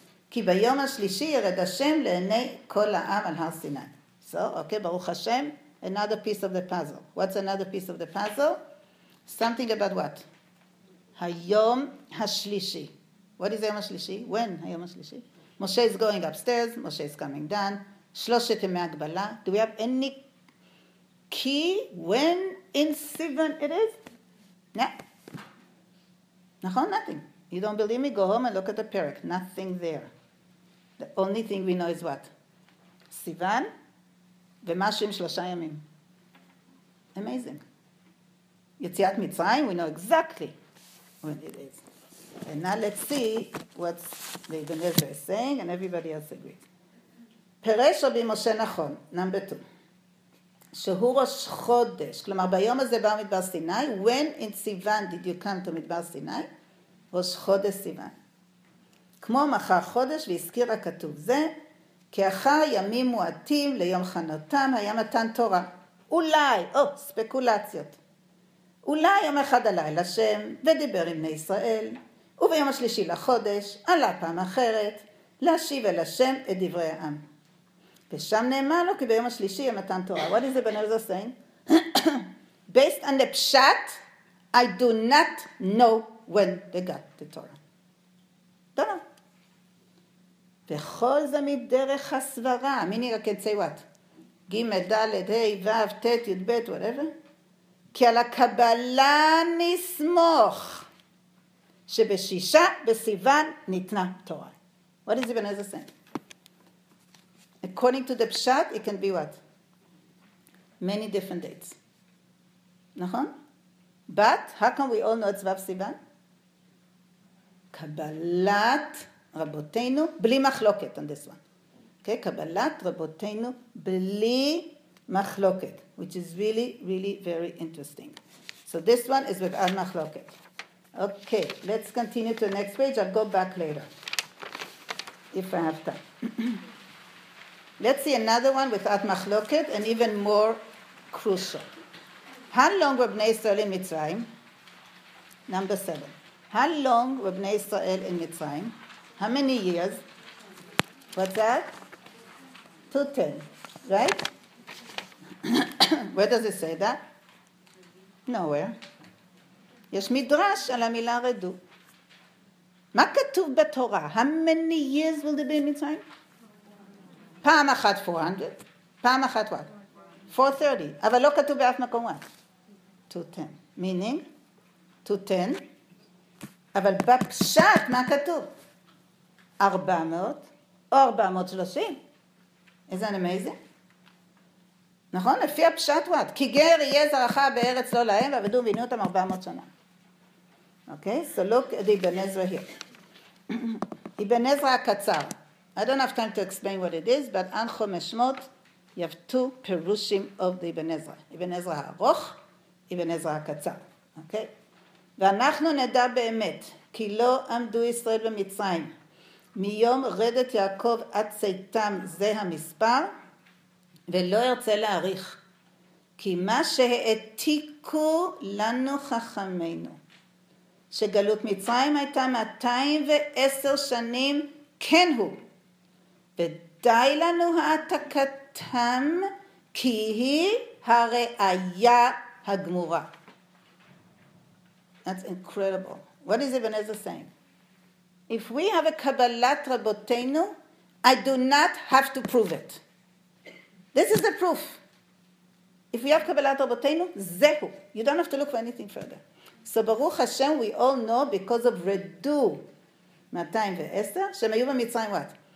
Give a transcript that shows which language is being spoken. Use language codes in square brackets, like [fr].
[he] כי ביום השלישי ירד השם לעיני כל העם על הר סיני. [en] So, okay, [he] ברוך השם, [en] another piece of the puzzle. What's another piece of the puzzle? Something about what? [he] היום השלישי. [en] What is [he] היום השלישי? [en] When [he] היום השלישי? [en] Moshe is going upstairs, Moshe is coming down. [he] שלושת ימי הגבלה. [en] Do we have any key when in Sivan it is? נכון? Nothing. You don't believe me? Go home and look at the perek. Nothing there. The only thing we know is what? [he] Sivan ומשהו עם שלושה ימים. [en] Amazing. [he] יציאת מצרים, [en] we know exactly when it is. And now let's see what the Ibn Ezra is saying and everybody else agrees. [he] פרש רבי משה נכון, [en] number two. [he] שהוא ראש חודש, כלומר ביום הזה בא מדבר סיני, [en] when in Sivan did you come to [he] מדבר סיני? ראש חודש סיבן. כמו מחר חודש והזכיר הכתוב זה, כי אחר ימים מועטים ליום חנותם היה מתן תורה. אולי, ספקולציות. אולי יום אחד עלה אל השם ודיבר עם בני ישראל, וביום השלישי לחודש עלה פעם אחרת להשיב אל השם את דברי העם. ושם נאמר לו כי ביום השלישי יהיה מתן תורה. [en] What is the Ibn Ezra saying? Based on the pshat, I do not know when they got the Torah. [he] וכל זה מדרך הסברה. מיני רק אצי וואט. ג' ד' ה' ו' ת' י' ב' whatever. כי על הקבלה נסמוך שבשישה בסיוון ניתנה תורה. [en] What is Ibn Ezra saying? According to the pshat, it can be what? Many different dates. נכון? But how can we all know it's וו סיוון? [he] קבלת רבותינו, בלי מחלוקת [en] on this one. okay, [he] קבלת רבותינו בלי מחלוקת, [en] which is really, really very interesting. So this one is without מחלוקת. Okay, let's continue to the next page. I'll go back later, if I have time. Let's see another one without מחלוקת, and even more crucial. How long were Bnei Israel in Mitzrayim? Number 7. How long were Bnei Israel in Mitzrayim? How many years? What's that? 210, right? Where does it say that? Nowhere. [he] יש מדרש על המילה רדו. מה כתוב בתורה? [en] How many years will they be in Mitzrayim? [he] פעם אחת 400. פעם אחת what? 430. אבל לא כתוב באף מקום what? 210. Meaning? 210. אבל בפשט מה כתוב? [en] 400 או 430. Is that amazing? נכון? [he] לפי הפשט what? כי גר יהיה זרחה בארץ לא להם ועבדו ועינו אותם 400 שנה. [en] Okay, so look at Ibn Ezra here. Ibn Ezra Katzar. I don't have time to explain what it is, but An Chomeshmot, you have two perushim of the Ibn Ezra. Ibn Ezra Aruch, Ibn Ezra Katzar. Okay? [he] V'anachnu neda be'emet, ki lo amdu Yisrael v'mitzrayim, miyom redet Yaakov at seitam ze ha-mispar, ve'lo erce la'arich, ki ma she'etiku lanu chachameinu. שגלות מצרים הייתה 210 שנים, כן הוא. ודי לנו העתקתם, כי היא הראיה הגמורה. [en] That's incredible. What is Ibn Ezra saying? If we have a [he] קבלת רבותינו, [en] I do not have to prove it. This is the proof. If we have [he] קבלת רבותינו, זהו. [en] You don't have to look for anything further. So Baruch Hashem, we all know because of Redu, 210, [he] שהם היו במצרים, [en] what?